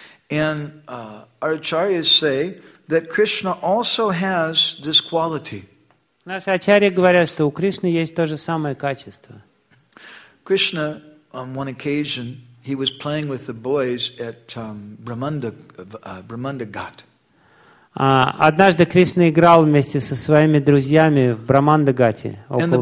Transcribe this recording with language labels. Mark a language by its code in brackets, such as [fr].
[en] And Acharyas say that Krishna also has this quality. [ru] Наши ачарьи говорят, что у Кришны есть то же самое качество. [en] Krishna, on one occasion, he was playing with the boys at Brahmandagat. [ru] Однажды Кришна играл вместе со своими друзьями в Брахмандагате, около